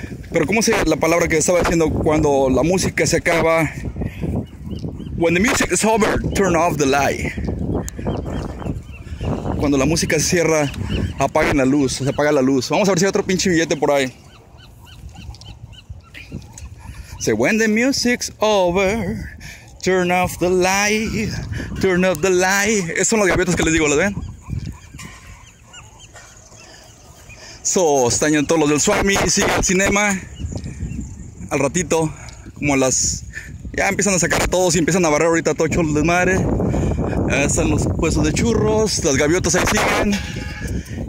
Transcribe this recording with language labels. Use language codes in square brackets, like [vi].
[es] Pero ¿cómo se la palabra que estaba diciendo cuando la música se acaba? [en] When the music is over, turn off the light. [es] Cuando la música se cierra, apaguen la luz, se apaga la luz. Vamos a ver si hay otro pinche billete por ahí. [en] Say, when the music's over, turn off the light, turn off the light. [es] Esas son las gaviotas que les digo, ¿las ven? So, están en todos los del Swami, sigue el cinema. Al ratito, como a las... Ya empiezan a sacar a todos y empiezan a barrer ahorita a todo cholo de madre. Están los puestos de churros, las gaviotas ahí siguen.